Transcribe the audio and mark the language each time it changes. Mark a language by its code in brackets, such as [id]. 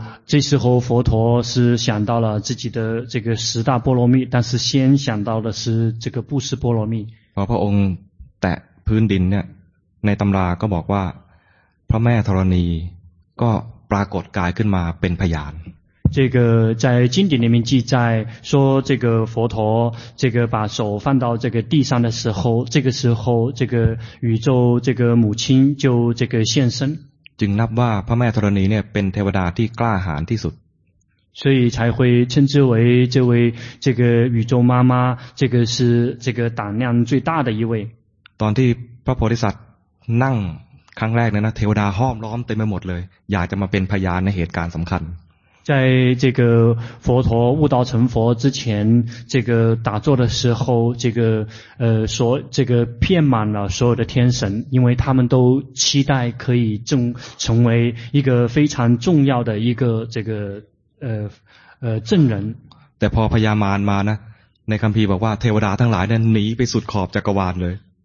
[zh] 这时候佛陀是想到了自己的这个十大波罗蜜但是先想到的是这个布施波罗蜜 [th] พระองค์แตะพื้นดินเนี่ยในตำราก็บอกว่าพระแม่ธรณีก็ปรากฏกายขึ้นมาเป็นพยาน [zh] 这个在经典里面记载说这个佛陀这个把手放到这个地上的时候这个时候这个宇宙这个母亲就这个现身 [th] จึงนับว่าพระแม่ธรณีเนี่ยเป็นเทวดาที่กล้าหาญที่สุด [zh] 所以才会称之为这位这个宇宙妈妈这个是这个胆量最大的一位 [th] ตอนที่พระโพธิสัตว์นั่งครั้งแรกนั้นนะเทวดาห้อมล้อมเต็มไปหมดเลยอยากจะมาเป็นพยานในเหตุการณ์สำคัญ [zh] 在这个佛陀悟道成佛之前这个打坐的时候这个所这个遍满了所有的天神因为他们都期待可以成为一个非常重要的一个这个证人 [th] แต่พอพญามารมานะในคัมภีร์บอกว่าเทวดาทั้งหลายนั้นหนีไปสุดขอบจักรวาลเลย